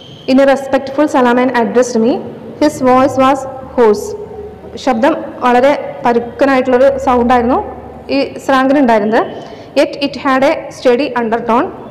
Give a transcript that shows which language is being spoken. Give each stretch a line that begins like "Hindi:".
English: in a respectful salam and addressed me. His voice was hoarse.
Malayalam: ശബ്ദം വളരെ പരുക്കനായിട്ടുള്ളൊരു സൗണ്ടായിരുന്നു ഈ സ്ലാങ്ങിനുണ്ടായിരുന്നത്.
English: Yet it had a steady undertone.